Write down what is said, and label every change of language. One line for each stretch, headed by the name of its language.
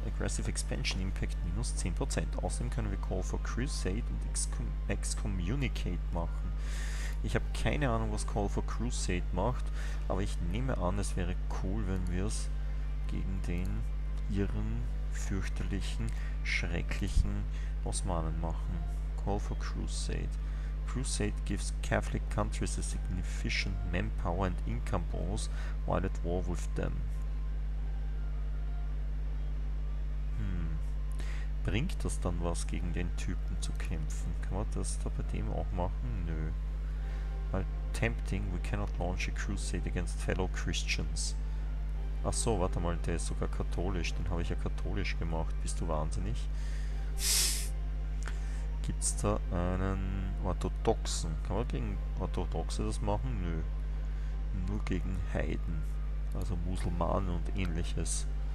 German: Aggressive Expansion Impact minus 10%. Außerdem können wir Call for Crusade und Excommunicate machen. Ich habe keine Ahnung, was Call for Crusade macht, aber ich nehme an, es wäre cool, wenn wir es gegen den irren, fürchterlichen, schrecklichen Osmanen machen.
English: Call for Crusade. Crusade gives Catholic countries a significant manpower and income bonus while at war with them. Hm.
German: Bringt das dann was, gegen den Typen zu kämpfen? Kann man das da bei dem auch machen? Nö.
English: While tempting, we cannot launch a crusade against fellow Christians.
German: Ach so, warte mal, der ist sogar katholisch. Den habe ich ja katholisch gemacht. Bist du wahnsinnig? Gibt's da einen Orthodoxen? Kann man gegen Orthodoxe das machen? Nö. Nur gegen Heiden. Also Muslimen und ähnliches.